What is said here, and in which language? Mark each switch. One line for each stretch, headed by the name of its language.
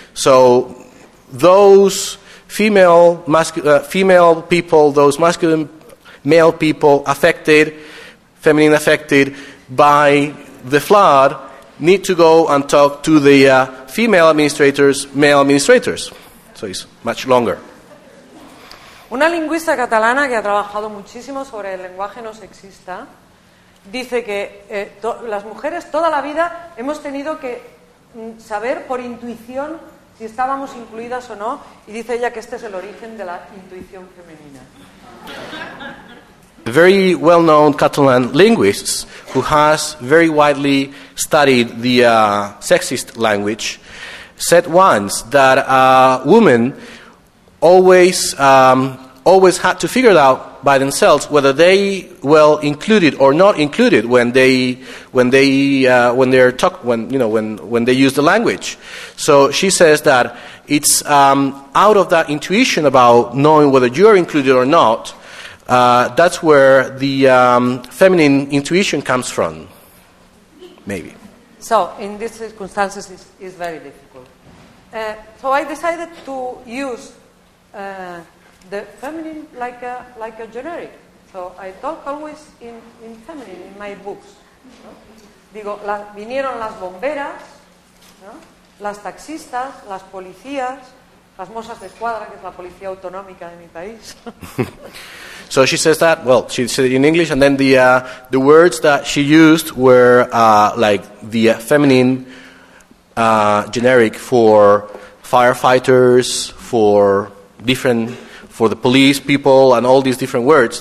English: So those female people, those masculine male people affected, feminine affected by the flood, need to go and talk to the female administrators, male administrators. So it's much longer.
Spanish: Una lingüista catalana que ha trabajado muchísimo sobre el lenguaje no sexista dice que las mujeres toda la vida hemos tenido que saber por intuición si estábamos incluidas o no, y dice ella que este es el origen de la intuición femenina.
English: Very well-known Catalan linguists who has very widely studied the sexist language said once that a woman always had to figure out by themselves whether they were included or not included when they use the language. So she says that it's out of that intuition about knowing whether you're included or not. That's where the feminine intuition comes from, maybe. So, in these circumstances, it's very difficult. So I decided to use the feminine like a generic. So I talk always in feminine in my books.
Spanish: ¿No? Digo, vinieron las bomberas, ¿no? Las taxistas, las policías, las mozas de escuadra, que es la policía autonómica de mi país.
English: So she says that, well, she said it in English, and then the words that she used were like the feminine generic for firefighters, for the police people, and all these different words.